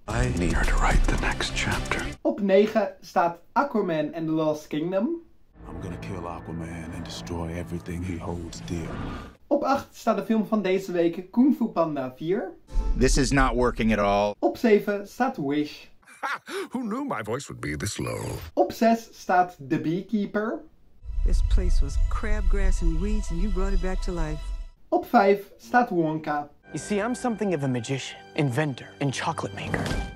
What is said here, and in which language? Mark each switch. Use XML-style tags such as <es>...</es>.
<en>I need her to write the next chapter.</en> <nl>Op 9 staat</nl> <en>Aquaman and the Lost Kingdom. I'm gonna kill Aquaman and destroy everything he holds dear.</en> <nl>Op 8 staat de film van deze week Kung Fu Panda 4.</nl> <en>This is not working at all.</en> <nl>Op 7 staat</nl> <en>Wish. Who knew my voice would be this low?</en> <nl>Op 6 staat</nl> <en>The Beekeeper. This place was crabgrass and weeds and you brought it back to life.</en> <nl>Op 5 staat</nl> <en>Wonka. You see, I'm something of a magician, inventor, and chocolate maker.</en>